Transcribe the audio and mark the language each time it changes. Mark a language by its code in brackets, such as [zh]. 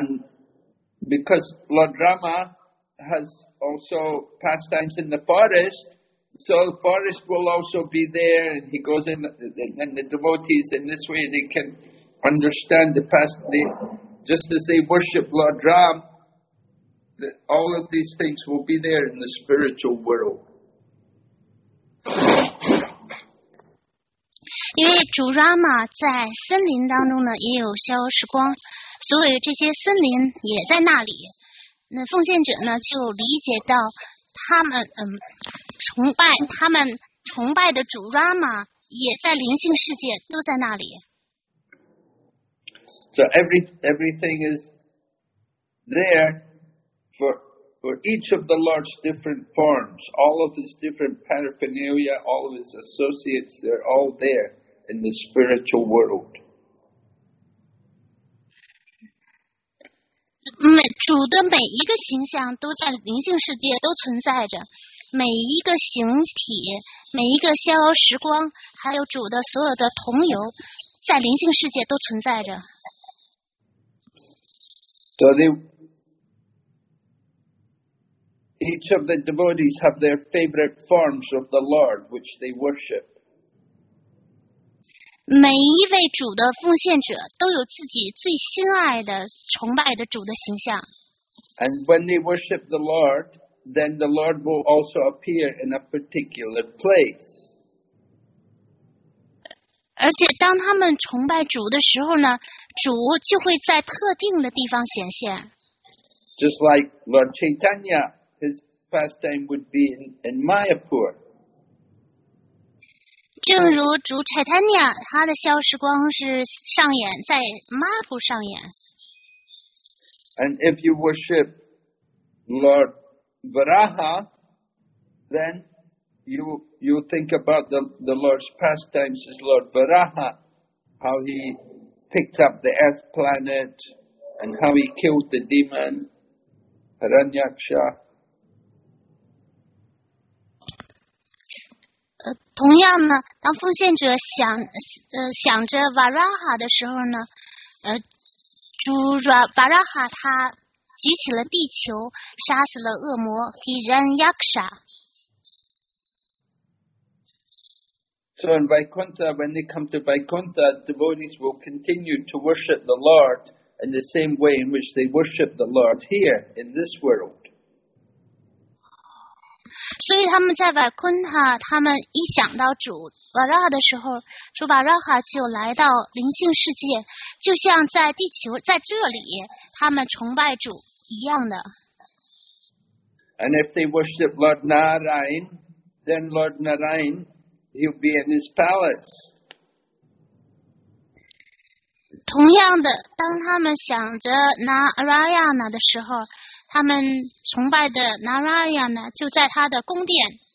[en] And because Lord Rama has also pastimes in the forest, so the forest will also be there, and he goes in, and the devotees in this way they can understand the past. They, just as they worship Lord Ram, all of these things will be there in the spiritual world. [zh] 因为主 Rama 在森林当中呢也有消失光，所以这些森林也在那里。那奉献者呢就理解到他们崇拜的主 Rama 也在灵性世界都在那里。 [en] So everything is there for each of the Lord's different forms, all of his different paraphernalia, all of his associates, they're all there. In the spiritual world. [zh] 主的每一个形象都在灵性世界都存在着，每一个形体，每一个逍遥时光，还有主的所有的同游，在灵性世界都存在着。 [en] So each of the devotees have their favorite forms of the Lord which they worship. [zh] 每一位主的奉献者都有自己最心爱的、崇拜的主的形象。 [en] And when they worship the Lord, then the Lord will also appear in a particular place. [zh] 而且当他们崇拜主的时候呢，主就会在特定的地方显现。 [en] Just like Lord Chaitanya, his pastime would be in Mayapur. [zh] 正如主 Chaitanya 他的消失光是上演在 Mayapur 上演。 [en] And if you worship Lord Varaha, then you think about the Lord's pastimes as Lord Varaha, how he picked up the earth planet and how he killed the demon Hiranyaksha. [zh] 同样呢，当奉献者想着瓦拉哈的时候呢，主瓦拉哈他举起了地球，杀死了恶魔希兰雅克沙。 [en] So in Vaikuntha, when they come to Vaikuntha, devotees will continue to worship the Lord in the same way in which they worship the Lord here in this world. [zh] 所以他们在瓦昆塔，他们一想到主瓦拉哈的时候，主瓦拉哈就来到灵性世界，就像在地球在这里他们崇拜主一样的。 [en] And if they worship Lord Narayan, then Lord Narayan, he'll be in his palace. [zh] 同样的，当他们想着 Narayana 的时候，他们崇拜的 Narayana 就在他的宫殿。